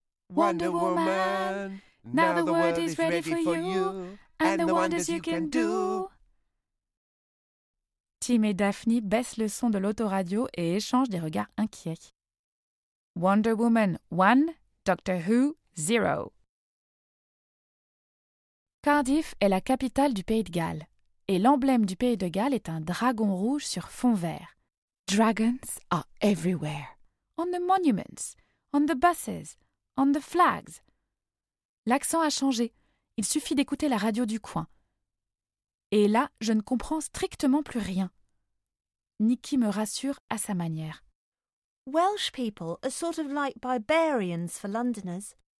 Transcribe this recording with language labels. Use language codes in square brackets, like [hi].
[en] Wonder Woman, now the world is ready for you and the wonders you can do. [fr] Tim et Daphne baissent le son de l'autoradio et échangent des regards inquiets. Wonder Woman 1, Doctor Who 0. Cardiff est la capitale du Pays de Galles. Et l'emblème du Pays de Galles est un dragon rouge sur fond vert. [en] Dragons are everywhere. On the monuments, on the buses, on the flags. [fr] L'accent a changé. Il suffit d'écouter la radio du coin. Et là, je ne comprends strictement plus rien. Nikki me rassure à sa manière. [en] Welsh people are sort of like barbarians for Londoners.